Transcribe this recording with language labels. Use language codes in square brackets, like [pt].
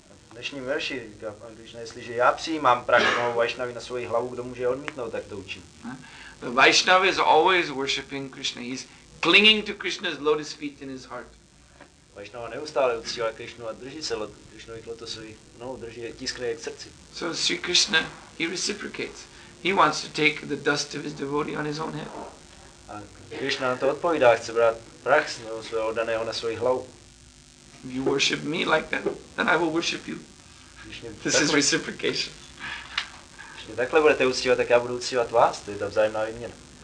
[cs] V dnešním verši říká pan Krishna, jestliže já přijímám prach toho Vaishnavy na svoji hlavu, kdo může odmítnout, tak to učím. [en] The Vaishnava is always worshipping Krishna. He's clinging to Krishna's lotus feet in his heart. [cs] Vaishnava neustále uctívá Krishnu a drží se Krishnových lotosových nohou, drží je, tiskne je k srdci. [en] So Sri Krishna, he reciprocates. He wants to take the dust of his devotee on his own head. [cs] A Krishna na to odpovídá, chce brát prach z něho svého oddaného na svoji hlavu. [en] If you worship me like that, then I will worship you. This is reciprocation. [cs] Když takhle budete uctívat, tak já budu uctívat vás, to je ta vzájemná výměna.